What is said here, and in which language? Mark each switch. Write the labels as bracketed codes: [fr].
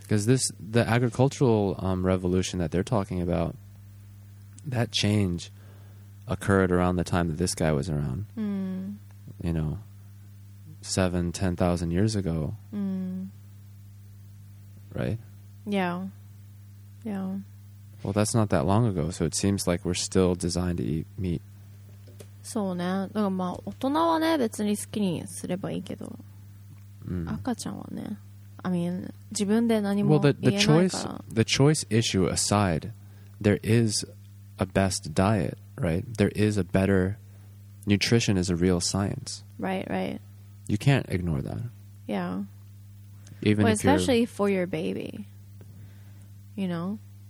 [en] because the agricultural revolution that they're talking about, that change occurred around the time that this guy was around. You know, 7,000-10,000 years ago. Right? Yeah. Well, that's not that long ago, so it seems like we're still designed to eat meat. [ja] そうね。だからまあ大人はね別に好きにすればいいけど、赤ちゃんはね。 [en] I mean, [ja] 自分で何も言えないから。 [en] Well, the choice issue aside, there is a best diet, right? There is a better nutrition is a real science. Right. You can't ignore that. Yeah. Even well, especially for your baby. You know.